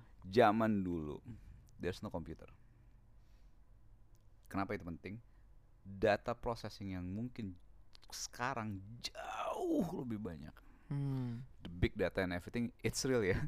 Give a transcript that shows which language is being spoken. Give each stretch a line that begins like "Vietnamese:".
Indonesian: Zaman dulu
English: there's no computer.
Indonesian: Kenapa itu penting? Data processing yang mungkin sekarang jauh lebih banyak.
English: The big data and everything, it's real ya.